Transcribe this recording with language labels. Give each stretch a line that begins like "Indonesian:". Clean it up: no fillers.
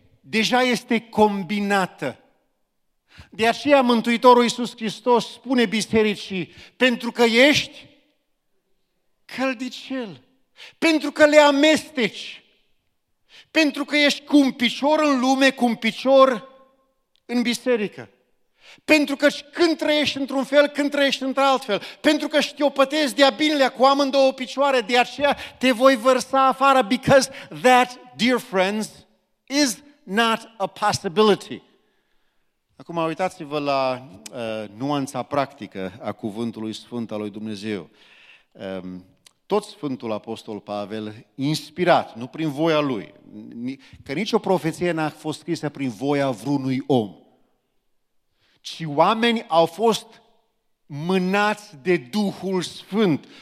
Romanian: Deja este combinată. De aceea Mântuitorul Iisus Hristos spune bisericii: pentru că ești căldicel, pentru că le amesteci, pentru că ești cu un picior în lume, cu un picior în biserică, pentru că când trăiești într-un fel, când trăiești într-altfel, pentru că șchiopătezi de-a binelea cu amândouă picioare, de aceea te voi vărsa afară.
English: Because that, dear friends, is not a possibility.
Romanian: Acum uitați-vă la nuanța practică a cuvântului sfânt al lui Dumnezeu. Tot Sfântul Apostol Pavel, inspirat, nu prin voia lui, că nicio profeție n-a fost scrisă prin voia vreunui om, ci oameni au fost mânați de Duhul Sfânt.